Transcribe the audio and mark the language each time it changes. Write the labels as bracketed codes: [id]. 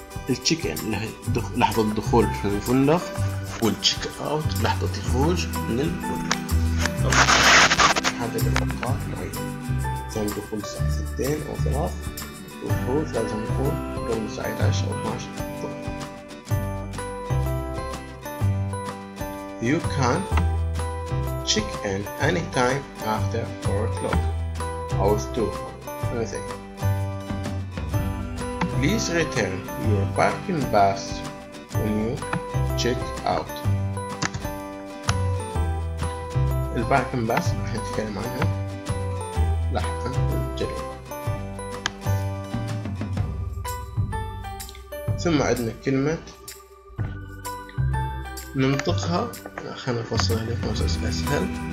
[ar] check in اللي هي لحظة الدخول في الفندق، وال check out لحظة الخروج من الفندق. هذا الأوقات معين، مثلا دخول الساعة 2 أو 3 والخروج لازم يكون قبل الساعة 11 أو 12 الظهر. [en] You can check in anytime after 4 o'clock or 2 o'clock. Please return your parking pass when you check out. [ar] الباركن باس راح نتكلم عنها لاحقا. ثم عندنا كلمة ننطقها، خلينا نفصلها لكم بس اسهل.